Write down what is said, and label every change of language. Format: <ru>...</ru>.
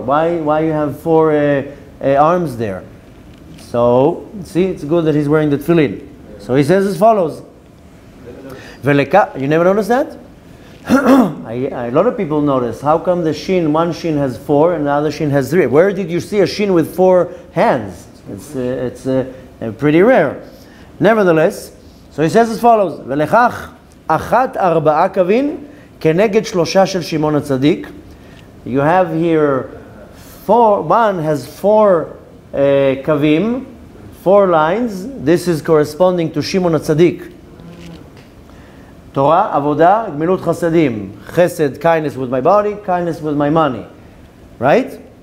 <en>Why you have four arms there? So see, it's good that he's wearing the tefillin. So he says as follows. Veleka, you never noticed that? A lot of people notice, how come the shin, one shin has four and the other shin has three? Where did you see a shin with four hands? It's pretty rare. Nevertheless, so he says as follows,</en> <he>ולכך, אחת ארבעה קווין, כנגד שלושה של שמעון הצדיק.</he> <en>You have here, one has four קווים, four lines. This is corresponding to Shimon HaTzadik. Torah, Avodah, Gmilut Chasadim, Chesed, kindness with my body, kindness with my money. Right?</en>